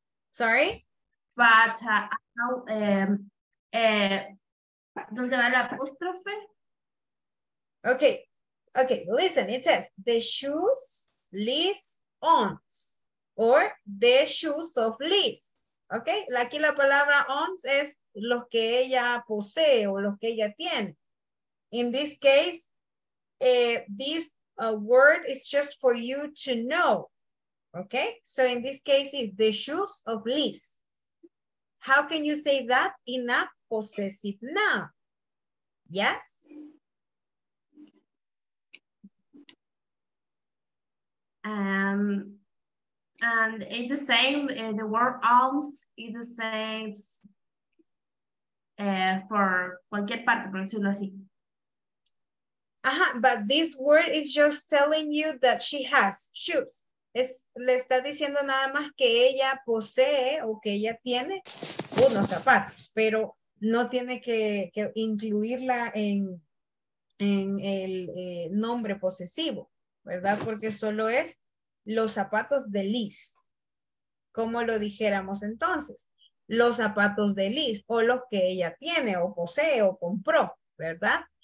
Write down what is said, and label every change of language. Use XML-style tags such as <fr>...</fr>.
<en>Sorry? But how,</en> <es>donde va la apostrofe?</es> <en>Okay, okay, listen, it says the shoes Liz owns or the shoes of Liz.</en> <es>Okay, aquí la palabra owns es los que ella posee o los que ella tiene.</es> <en>In this case, this word is just for you to know. Okay, so in this case is the shoes of Liz. How can you say that in a possessive noun? Yes? And it's the same, the word owns is the same for</en> <es>cualquier parte, por decirlo así.</es> <en>Ajá, but this word is just telling you that she has shoes.</en> <es>Es, le está diciendo nada más que ella posee o que ella tiene unos zapatos, pero no tiene que incluirla en el nombre posesivo, ¿verdad? Porque solo es los zapatos de Liz, como lo dijéramos entonces, los zapatos de Liz o los que ella tiene o posee o compró, ¿verdad?</es>